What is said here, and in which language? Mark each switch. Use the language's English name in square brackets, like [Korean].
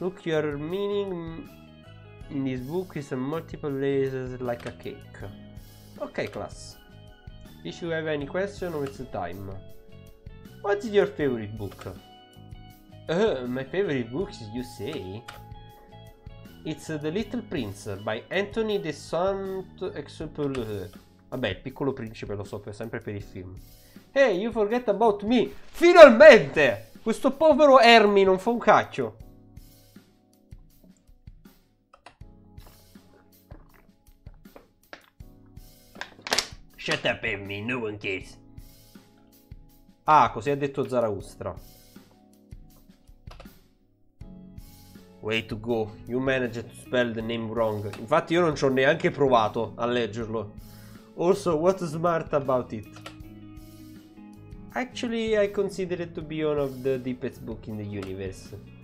[English] Look, your meaning in this book is multiple layers like a cake. Okay, class. If you have any question, it's the time. What is your favorite book? My favorite book, you say? It's The Little Prince by Anthony de Saint-Exupéry. [Italian] Vabbè, il piccolo principe, lo so, per sempre per il film. [English] Hey, you forget about me! [Italian] Finalmente! Questo povero Hermi non fa un cacchio! [English] Shut up, Hermi, no one cares. [Italian] Ah, così ha detto Zarathustra. [English] Way to go, you managed to spell the name wrong. [Italian] Infatti io non ci ho neanche provato a leggerlo. [English] Also, what's smart about it? Actually, I consider it to be one of the deepest books in the universe.